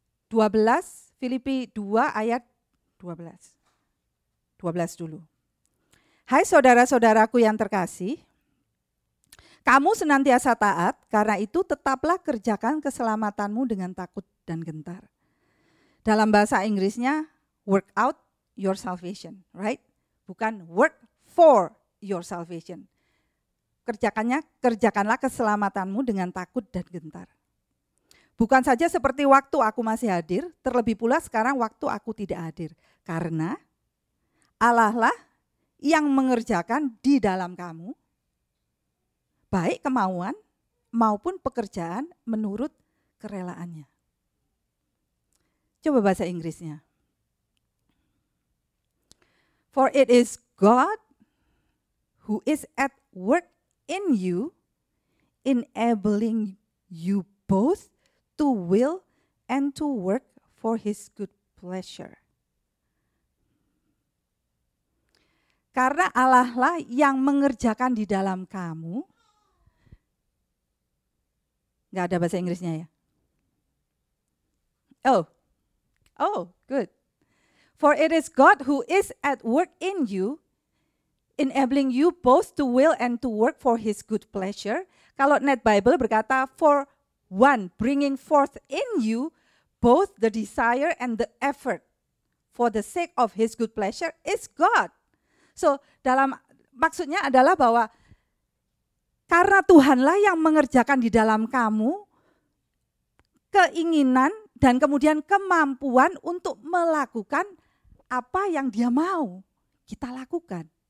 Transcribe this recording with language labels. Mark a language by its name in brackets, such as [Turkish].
[Indonesian] 12, Filipi 2 ayat 12. 12 dulu. Hai saudara-saudaraku yang terkasih, kamu senantiasa taat, karena itu tetaplah kerjakan keselamatanmu dengan takut dan gentar. Dalam bahasa Inggrisnya, [English] work out your salvation, right? [Indonesian] Bukan [English] work for your salvation. [Indonesian] Kerjakannya, kerjakanlah keselamatanmu dengan takut dan gentar. Bukan saja seperti waktu aku masih hadir, terlebih pula sekarang waktu aku tidak hadir. Karena Allah lah yang mengerjakan di dalam kamu, baik kemauan maupun pekerjaan menurut kerelaannya. Coba bahasa Inggrisnya. [English] For it is God who is at work in you, enabling you both to will and to work for his good pleasure. [Indonesian] Karena Allah lah yang mengerjakan di dalam kamu. Enggak ada bahasa Inggrisnya ya? [English] Oh. Oh, good. For it is God who is at work in you, enabling you both to will and to work for his good pleasure. [Indonesian] Kalau NET Bible berkata, [English] for one, bringing forth in you both the desire and the effort for the sake of his good pleasure is God. [Indonesian] So, dalam maksudnya adalah bahwa karena Tuhanlah yang mengerjakan di dalam kamu keinginan dan kemudian kemampuan untuk melakukan apa yang dia mau kita lakukan.